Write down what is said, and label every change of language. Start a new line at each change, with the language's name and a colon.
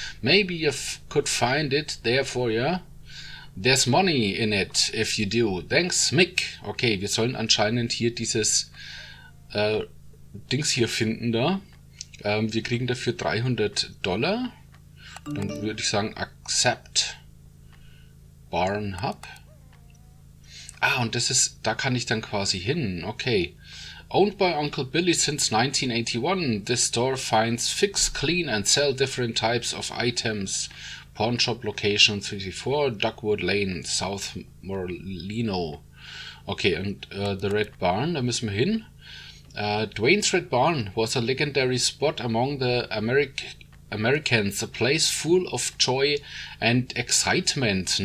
English: Maybe you could find it there for you. There's money in it, if you do. Thanks, Mick.
German: Okay, wir sollen anscheinend hier dieses Dings hier finden da. Wir kriegen dafür $300. Dann würde ich sagen, accept Barn Hub. Ah, und das ist, da kann ich dann quasi hin.
English: Okay. Owned by Uncle Billy since 1981. This store finds, fix, clean and sell different types of items. Pawn Shop Location 34, Duckwood Lane, South Morlino.
German: Okay, und The Red Barn, da müssen wir hin.
English: Dwayne's Red Barn was a legendary spot among the Americans, a place full of joy and excitement.